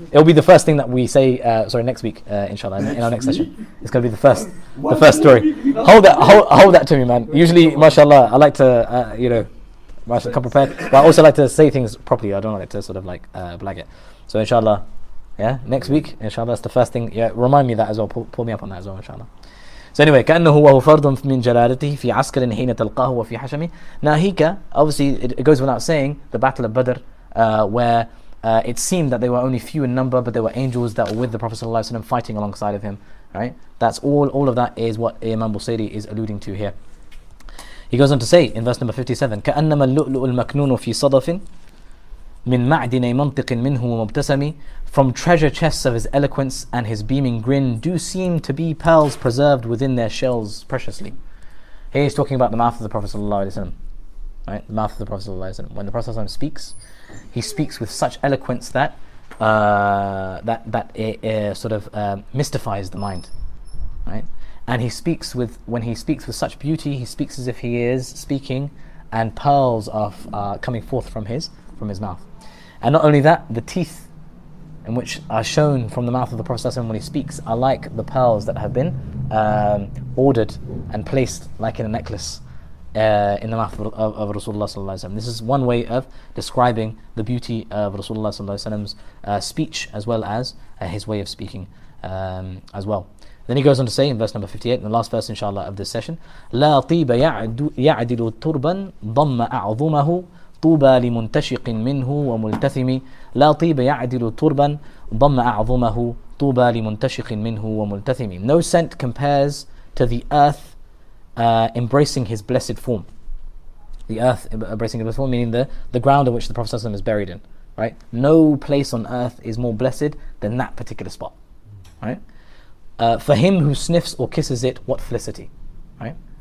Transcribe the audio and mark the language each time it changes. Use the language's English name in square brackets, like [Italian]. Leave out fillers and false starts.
[English] It'll be the first thing that we say. Next week, inshallah, in our next session, it's gonna be the first story. Hold that to me, man. Usually, mashallah, I like to mashallah, come prepared, but I also like to say things properly. I don't like to sort of like blag it. So inshallah, yeah, next week, inshallah, that's the first thing. Yeah, remind me that as well. Pull me up on that as well, inshallah. [Arabic] So anyway, كأنه هو فرد من جلالته في عسكر حين تلقاه وفي حشمه. ناهيك, [English] obviously it goes without saying, the Battle of Badr, where it seemed that they were only few in number, but there were angels that were with the Prophet sallallahu alaihi wasallam fighting alongside of him. Right? That's all of that is what Imam Busiri is alluding to here. He goes on to say in verse number 57, [Arabic] كأنما اللؤلؤ المكنون في صدف من معدن منطق منه مبتسمي. [English] From treasure chests of his eloquence and his beaming grin do seem to be pearls preserved within their shells preciously. Here he's talking about the mouth of the Prophet sallallahu alaihi wasallam. Right? The mouth of the Prophet sallallahu alaihi wasallam. When the Prophet sallallahu alaihi wasallam speaks, he speaks with such eloquence that that it sort of mystifies the mind. Right? And when he speaks with such beauty, he speaks as if he is speaking and pearls are coming forth from his mouth. And not only that, the teeth in which are shown from the mouth of the Prophet when he speaks are like the pearls that have been ordered and placed like in a necklace in the mouth of Rasulullah. This is one way of describing the beauty of Rasulullah's speech as well as his way of speaking as well. Then he goes on to say in verse number 58, in the last verse inshallah of this session, [Arabic] لا طيب يعدل التربا ضم أعظمه طوبى لمنتشق منه وملتثم لا طيب يعدل التربا ضم أعظمه طوبى لمنتشق منه وملتثم. [English] No scent compares to the earth embracing his blessed form. The earth embracing his blessed form, meaning the ground in which the Prophet ﷺ is buried in. Right? No place on earth is more blessed than that particular spot. Right? For him who sniffs or kisses it, what felicity. Right?